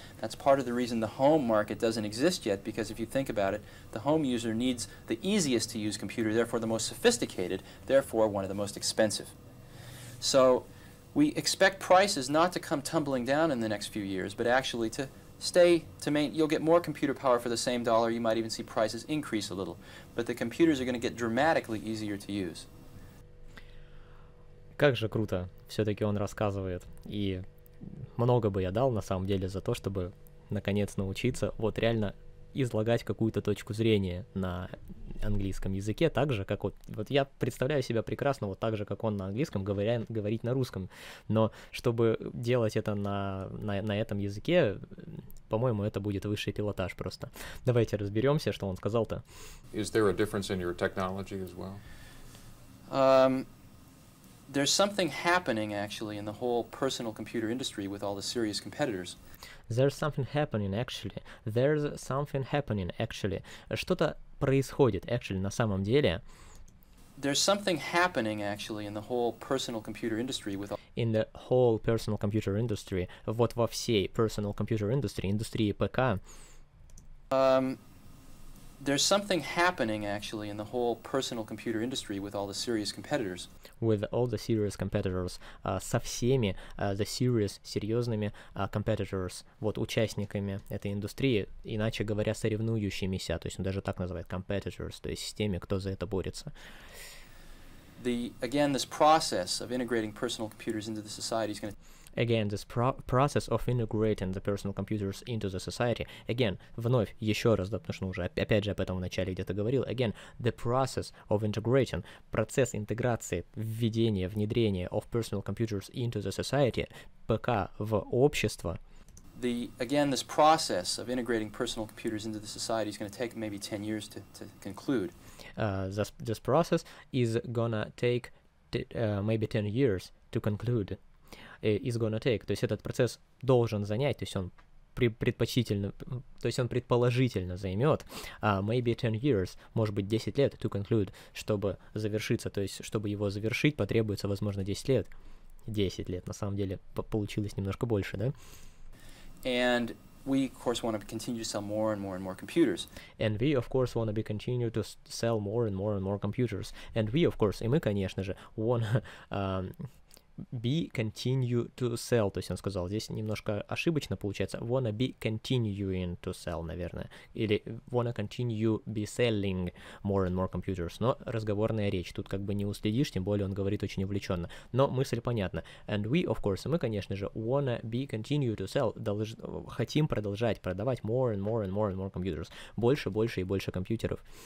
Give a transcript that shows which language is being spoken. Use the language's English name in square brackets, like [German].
[English] That's part of the reason the home market doesn't exist yet, because if you think about it, the home user needs the easiest to use computer, therefore the most sophisticated, therefore one of the most expensive. So, we expect prices not to come tumbling down in the next few years, but actually to stay, to maintain. You'll get more computer power for the same dollar. You might even see prices increase a little. But the computers are going to get dramatically easier to use. [Russian] Как же круто, все-таки он рассказывает. И много бы я дал, на самом деле, за то, чтобы наконец научиться. Вот реально, излагать какую-то точку зрения на английском языке, так же, как вот... Вот я представляю себя прекрасно вот так же, как он на английском, говорить на русском. Но чтобы делать это на этом языке, по-моему, это будет высший пилотаж просто. Давайте разберемся, что он сказал-то. [English] Is there a difference in your technology as well? There's something happening, actually, in the whole personal computer industry with all the serious competitors. There's something happening, actually. [Russian] Что-то происходит, [English] actually, [Russian] на самом деле. [English] There's something happening, actually, in the whole personal computer industry with all... In the whole personal computer industry. [Russian] Вот во всей [English] personal computer industry, [Russian] индустрии ПК. [English] There's something happening, actually, in the whole personal computer industry with all the serious competitors. With all the serious competitors. [Russian] Со всеми [English] the serious, [Russian] серьезными [English] competitors, [Russian] вот участниками этой индустрии, иначе говоря, соревнующимися, то есть он даже так называет competitors, то есть с теми, кто за это борется. [English] Again, this process of integrating personal computers into the society is going to... Again, this process of integrating the personal computers into the society. Again, [Russian] вновь, еще раз, да, потому что уже опять же об этом в начале где-то говорил. [English] Again, the process of integrating, [Russian] процесс интеграции, введения, внедрения [English] of personal computers into the society, [Russian] ПК в общество. [English] Again, this process of integrating personal computers into the society is going to take maybe 10 years to conclude. This process is gonna take maybe 10 years to conclude. Is gonna take, [Russian] то есть этот процесс должен занять, то есть он предпочтительно, то есть он предположительно займет [English] maybe 10 years, [Russian] может быть 10 лет [English] to conclude, [Russian] чтобы завершиться, то есть чтобы его завершить потребуется, возможно, 10 лет. 10 лет, на самом деле, получилось немножко больше, да? [English] And we, of course, want to continue to sell more and more and more computers. And we, of course, want to be continue to sell more and more and more computers. And we, of course, [Russian] и мы, конечно же, [English] want to... be continue to sell, [Russian] то есть он сказал, здесь немножко ошибочно получается, [English] wanna be continuing to sell, [Russian] наверное, или [English] wanna continue be selling more and more computers, [Russian] но разговорная речь, тут как бы не уследишь, тем более он говорит очень увлеченно, но мысль понятна, and we, of course, мы, конечно же, [English] wanna be continue to sell, [Russian] хотим продолжать продавать [English] more and more and more and more computers, [Russian] больше, больше и больше компьютеров.